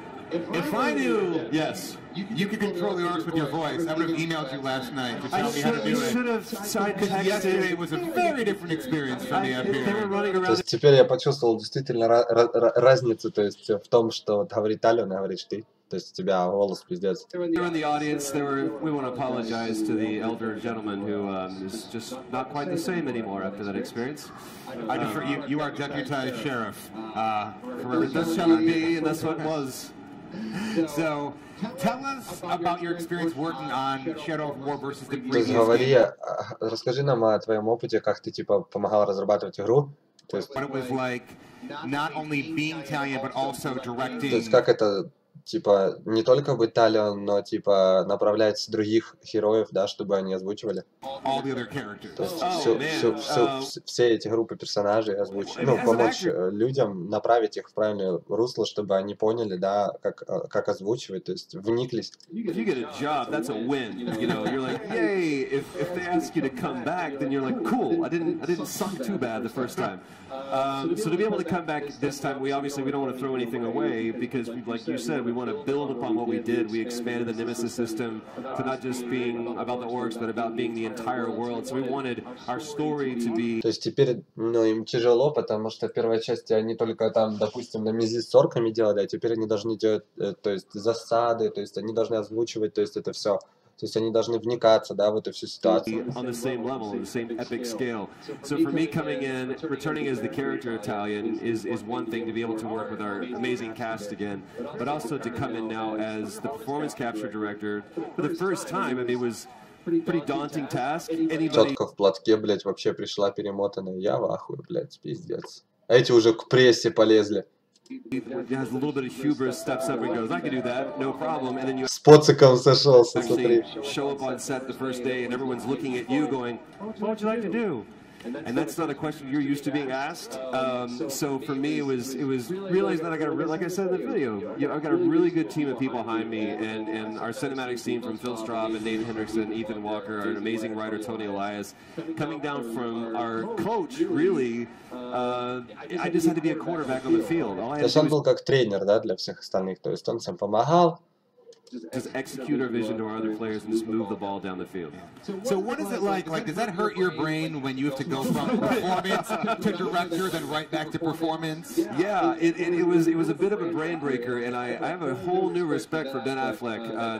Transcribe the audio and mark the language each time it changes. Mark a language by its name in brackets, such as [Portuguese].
[English] If I knew, yes, you could control the orcs with your voice, I would have emailed you last night to tell me how to do it. I should have side-texted. Yesterday was a very different experience from the up here. They were running around. [Russian] То есть теперь я почувствовал действительно разницу, то есть в том, что вот говорит Талион, а говоришь ты. То есть у тебя голос пиздец. [English] Here in the audience, we want to apologize to the elder gentleman who is just not quite the same anymore after that experience. I defer, you are deputized sheriff. This shall not be, and that's what was. So, tell us about your experience working on Shadow of War versus the previous. [Russian] То есть говори, расскажи нам о твоем опыте, как ты типа помогал разрабатывать игру. То есть. [English] What it was like, not only being Talion, but also directing. [Russian] То есть как это типа не только быть Талион, но типа направлять других героев, да, чтобы они озвучивали. [English] All the other characters. [Russian] То есть все эти группы персонажей озвучить, ну, помочь людям направить их в правильное русло, чтобы они поняли, да, как озвучивать, то есть вниклись. [English] You get a job, that's a win. You know, you're like, yay, if they ask you to come back, then you're like, cool, I didn't suck too bad the first time. So to be able to come back this time, we don't want to throw anything away, because like you said, we want to build upon what we did. We expanded the Nemesis system to not just being about the orcs, but about being the entire world. So we wanted our story to be. [Russian] То есть теперь, ну, им тяжело, потому что в первой части они только там, допустим, Nemesis с орками делали, а теперь они должны делать, то есть засады, то есть они должны озвучивать, то есть это все. То есть они должны вникаться, да, в эту всю ситуацию. [English] On the same level, the same epic scale. So for me coming in, returning as the character Talion is one thing to be able to work with our amazing cast again, but also to come in now as the performance capture director for the first time, and it was pretty daunting task. [Russian] Тетка в платке, блять, вообще пришла перемотанная. Я в ахуе, блять, пиздец. Эти уже к прессе полезли. [English] has a little bit of hubris, steps up and goes, I can do that, no problem. And then you actually show up on set the first day and everyone's looking at you going, what would you like to do? And that's not a question you're used to being asked. So for me, it was realizing that I got a like I said in the video, you know, I got a really good team of people behind me, and our cinematic team from Phil Straub and Dave Hendrickson, Ethan Walker, our amazing writer Tony Elias, coming down from our coach. Really, I just had to be a quarterback on the field. [Russian] Он был как тренер, да, для всех остальных. То есть он всем помогал. [English] Just execute our vision to our other players and just move the ball down the field. So what is it like? Like, does that hurt your brain when you have to go from performance to director, then right back to performance? Yeah, it was a bit of a brain breaker, and I have a whole new respect for Ben Affleck.